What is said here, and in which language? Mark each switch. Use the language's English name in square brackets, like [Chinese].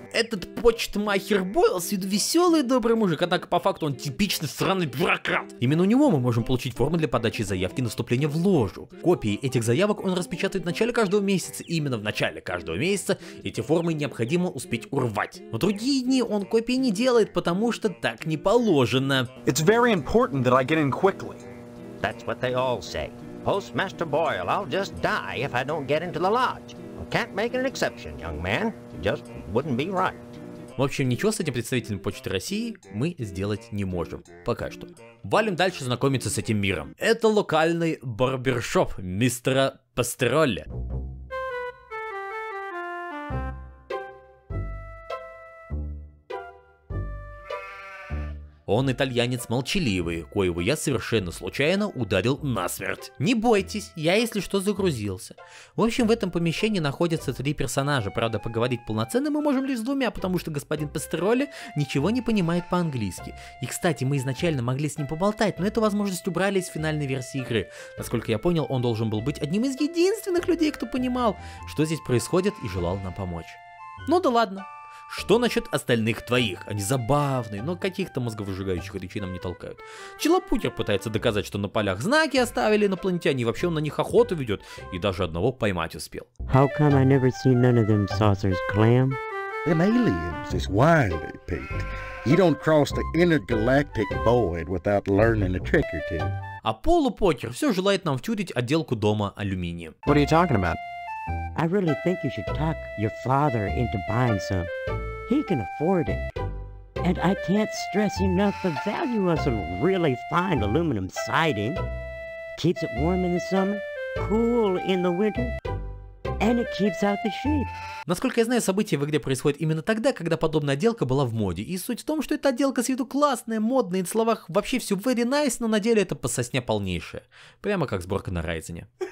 [Russian] Этот почтмахер Бойл с виду веселый и добрый мужик, однако по факту он типичный сраный бюрократ. Именно у него мы можем получить форму для подачи заявки на вступление в ложу. Копии этих заявок он распечатает в начале каждого месяца, и именно в начале каждого месяца эти формы необходимо успеть урвать. В другие дни он копии не делает, потому что так не положено. [English] It's very important that I get in quickly. That's what they all say. Postmaster Boyle, I'll just die if I don't get into the lodge. Can't make an exception, young man. Just wouldn't be right. [Russian] В общем, ничего с этим представителем Почты России мы сделать не можем. Пока что. Валим дальше знакомиться с этим миром. Это локальный барбершоп мистера Пастеролли. Он итальянец молчаливый, коего я совершенно случайно ударил насмерть. Не бойтесь, я если что загрузился. В общем, в этом помещении находятся три персонажа, правда поговорить полноценно мы можем лишь с двумя, потому что господин Пастеролли ничего не понимает по-английски. И кстати, мы изначально могли с ним поболтать, но эту возможность убрали из финальной версии игры. Насколько я понял, он должен был быть одним из единственных людей, кто понимал, что здесь происходит и желал нам помочь. Ну да ладно. Что насчет остальных твоих? Они забавные, но каких-то мозговыжигающих речей нам не толкают. Челопутер пытается доказать, что на полях знаки оставили инопланетяне, и вообще он на них охоту ведет, и даже одного поймать успел. [English] How come I never seen none of them saucers, Clam? Them aliens is wily, Pete. You don't cross the intergalactic void without learning a trick or two. [Russian] Аполло Покер все желает нам втюрить отделку дома алюминием. [English] What are you talking about? I really think you should talk your father into buying some. He can afford it. And I can't stress enough the value of some really fine aluminum siding. Keeps it warm in the summer, cool in the winter. And it keeps out the sheep. [Russian] Насколько я знаю, события в игре происходят именно тогда, когда подобная отделка была в моде. И суть в том, что эта отделка с виду классная, модная, и на словах вообще все [English] very nice, [Russian] но на деле это пососня полнейшая. Прямо как сборка на Райзене.